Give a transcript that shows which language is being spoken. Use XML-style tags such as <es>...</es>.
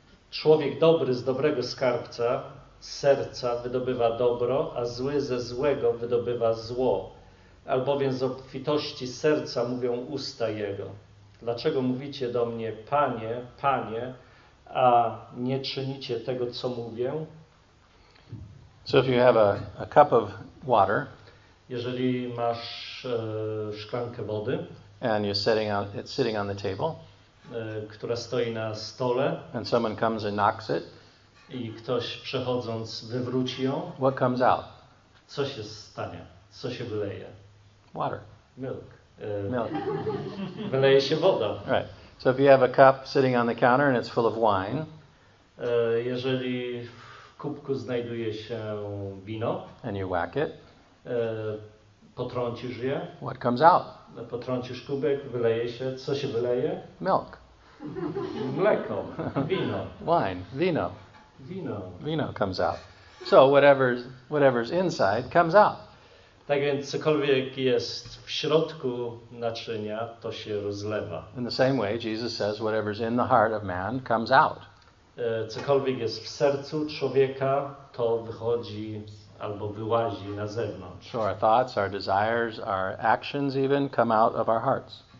<pl>Człowiek dobry z dobrego skarbca, serca wydobywa dobro, a zły ze złego wydobywa zło. Albowiem z obfitości serca mówią usta jego. Dlaczego mówicie do mnie, Panie, Panie, a nie czynicie tego, co mówię?</pl> <en>So if you have a cup of water,</en> <pl>jeżeli masz szklankę wody,</pl> <en>and you're sitting out, it's sitting on the table,</en> <pl>która stoi na stole,</pl> <en>and someone comes and knocks it,</en> <pl>i ktoś przechodząc wywróci ją,</pl> <en>what comes out?</en> <pl>Co się stanie? Co się wyleje?</pl> <en>Water. Milk. Milk.</en> <pl>Wyleje się woda.</pl> <en>Right. So if you have a cup sitting on the counter and it's full of wine,</en> <pl>jeżeli w kubku znajduje się wino,</pl> <en>and you whack it,</en> <pl>potrącisz je,</pl> <en>what comes out?</en> <pl>Potrącisz kubek, wyleje się. Co się wyleje?</pl> <en>Milk.</en> <pl>Mleko. Wino.</pl> <en>Wine. Vino. Vino. Vino comes out. So whatever's inside comes out.</en> <pl>Tak więc cokolwiek jest w środku naczynia, to się rozlewa.</pl> <en>In the same way, Jesus says, whatever's in the heart of man comes out.</en> <pl>Cokolwiek jest w sercu człowieka, to wychodzi albo wyłazi na zewnątrz.</pl> <en>So our thoughts, our desires, our actions even come out of our hearts.</en>